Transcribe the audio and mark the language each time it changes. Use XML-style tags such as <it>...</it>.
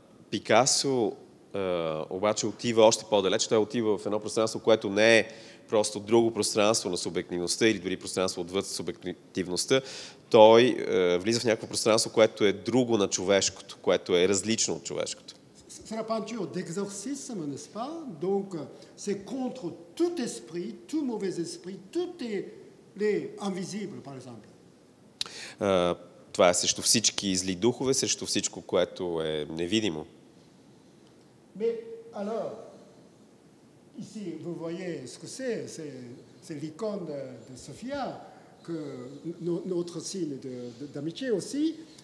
<bg>Пикасо обаче отива още по-далеч. Той отива в едно пространство, което не е просто друго пространство на субективността или дори пространство отвъд субективността. Той влиза в някакво пространство, което е друго на човешкото, което е различно от човешкото.</bg> <fr>C'est la peinture d'exorcisme, n'est-ce pas? Donc, c'est contre tout esprit, tout mauvais esprit, toutes les invisibles, par exemple.</fr> <bg>Това е срещу всички зли духове, срещу всичко, което е невидимо.</bg> <fr>Mais alors, ici, vous voyez ce que c'est l'icône de Sophia, que notre signe d'amitié aussi.</fr>